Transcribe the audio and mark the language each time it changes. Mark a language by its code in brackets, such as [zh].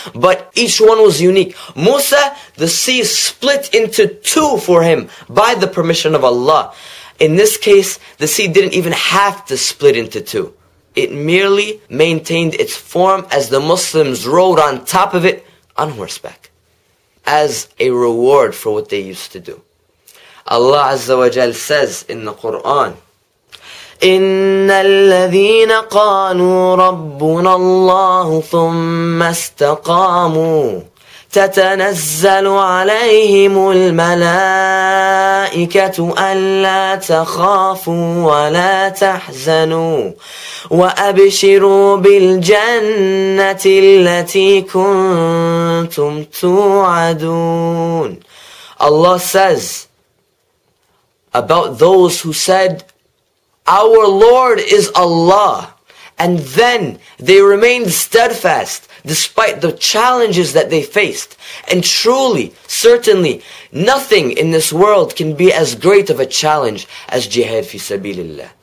[en] But each one was unique. Musa, the sea split into two for him by the permission of Allah. In this case, the sea didn't even have to split into two. It merely maintained its form as the Muslims rode on top of it on horseback as a reward for what they used to do. Allah Azza wa Jal says in the Quran, [ar] إِنَّ الَّذِينَ قَالُوا رَبُّنَا اللَّهُ ثُمَّ اسْتَقَامُوا تَتَنَزَّلُ عَلَيْهِمُ الْمَلَائِكَةُ أَلَّا تَخَافُوا وَلَا تَحْزَنُوا وَأَبْشِرُوا بِالْجَنَّةِ الَّتِي كُنْتُمْ تُوعَدُونَ. [en] Allah says about those who said, "Our Lord is Allah," and then they remained steadfast despite the challenges that they faced. And truly, certainly, nothing in this world can be as great of a challenge as jihad fi sabilillah.